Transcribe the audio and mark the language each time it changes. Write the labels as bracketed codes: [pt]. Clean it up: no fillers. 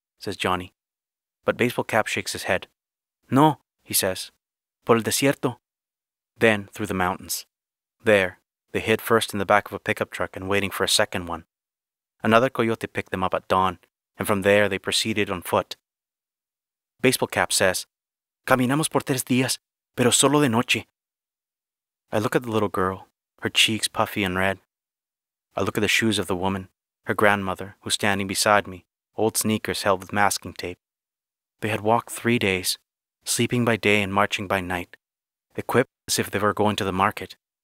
[en] says Johnny. But Baseball Cap shakes his head. "No," he says. [es] "Por el desierto." [en] Then, through the mountains. There, they hid first in the back of a pickup truck and waiting for a second one. Another coyote picked them up at dawn, and from there they proceeded on foot. Baseball Cap says, [es] "Caminamos por tres días, pero solo de noche." [en] I look at the little girl, her cheeks puffy and red. I look at the shoes of the woman, her grandmother, who's standing beside me, old sneakers held with masking tape. They had walked 3 days, sleeping by day and marching by night, equipped as if they were going to the market.